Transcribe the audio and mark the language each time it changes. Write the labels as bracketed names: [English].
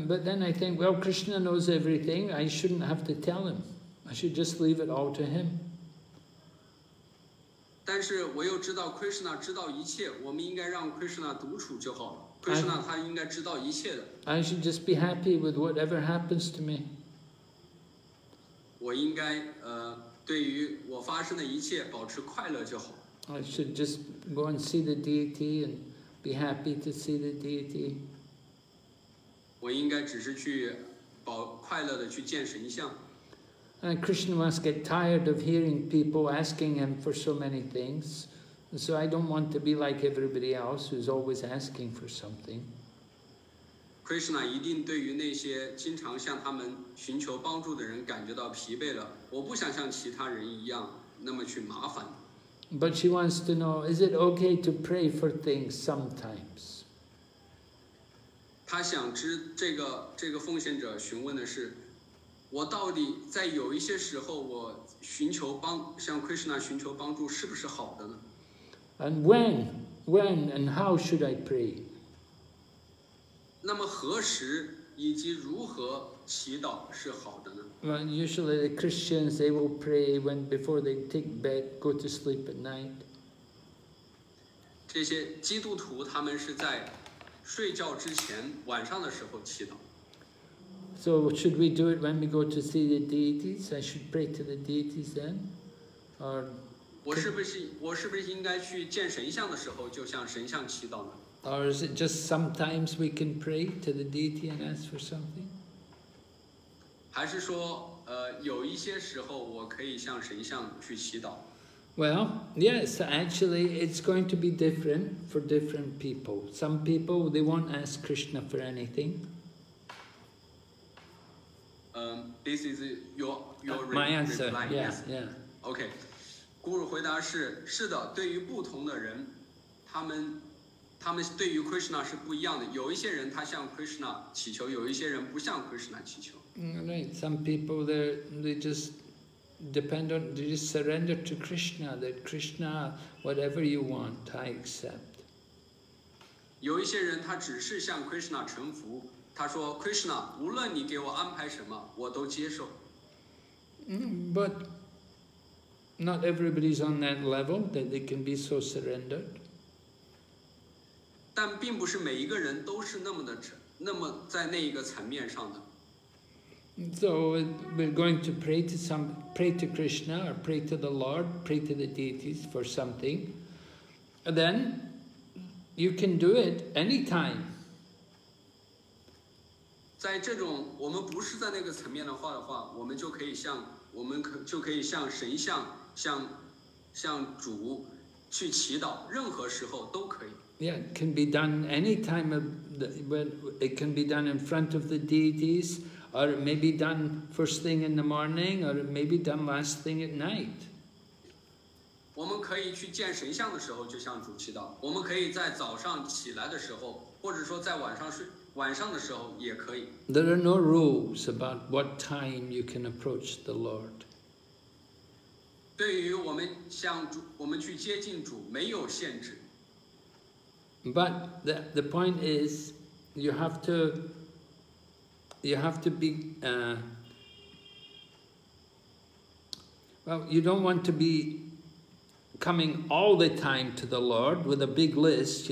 [English] But then I think, well, Krishna knows everything. I shouldn't have to tell him. I should just leave it all to him. [Chinese] 但是我又知道 Krishna 知道一切，我们应该让 Krishna 独处就好了。 Krishna 他应该知道一切的。 [English] I should just be happy with whatever happens to me. [Chinese] 我应该对于我发生的一切保持快乐就好。 [English] I should just go and see the deity and be happy to see the deity. [Chinese] 我应该只是去快乐的去见神像。 [English] And Krishna must get tired of hearing people asking him for so many things. So I don't want to be like everybody else who's always asking for something. [Chinese] Krishna 一定对于那些经常向他们寻求帮助的人感觉到疲惫了。我不想像其他人一样那么去麻烦。 [English] But she wants to know, is it okay to pray for things sometimes? [Chinese] 她想知这个奉献者询问的是，我到底在有一些时候我寻求帮向 Krishna 寻求帮助是不是好的呢？ [English] And when and how should I pray? [Chinese] 那么何时以及如何祈祷是好的呢？ [English] Well, usually the Christians, they will pray when before they take bed, go to sleep at night. [Chinese] 这些基督徒他们是在睡觉之前晚上的时候祈祷。 [English] So should we do it when we go to see the deities? I should pray to the deities then? Or [Chinese] 我是不是应该去见神像的时候就向神像祈祷呢？ [English] Or is it just sometimes we can pray to the deity and ask for something? [Chinese] 还是说有一些时候我可以向神像去祈祷？ [English] Well, yes, actually it's going to be different for different people. Some people, they won't ask Krishna for anything. This is your my answer. Reply, yes. Yeah. Okay. [Chinese] Guru 回答是的，对于不同的人，他们对于 Krishna 是不一样的。有一些人他向 Krishna 祈求，有一些人不向 Krishna 祈求。 [English] Right. Some people they just depend on, they just surrender to Krishna. That Krishna, whatever you want, I accept. [Chinese] 有一些人他只是向 Krishna 臣服。他说 ，Krishna， 无论你给我安排什么，我都接受。 [English] But not everybody's on that level that they can be so surrendered. [Chinese] 但并不是每一个人都是那么在那一个层面上的。 [English] So we're going to pray to Krishna or pray to the Lord, pray to the deities for something. And then you can do it anytime. [Chinese] 在这种我们不是在那个层面的话，我们就可以向神像，向主去祈祷，任何时候都可以。 [English] Yeah, it can be done any time of the, when it can be done in front of the deities, or it may be done first thing in the morning, or it may be done last thing at night. [Chinese] 我们可以去见神像的时候就向主祈祷，我们可以在早上起来的时候，或者说在晚上的时候也可以。 [English] There are no rules about what time you can approach the Lord. [Chinese] 对于我们向主，我们去接近主，没有限制。 [English] But the point is, you don't want to be coming all the time to the Lord with a big list.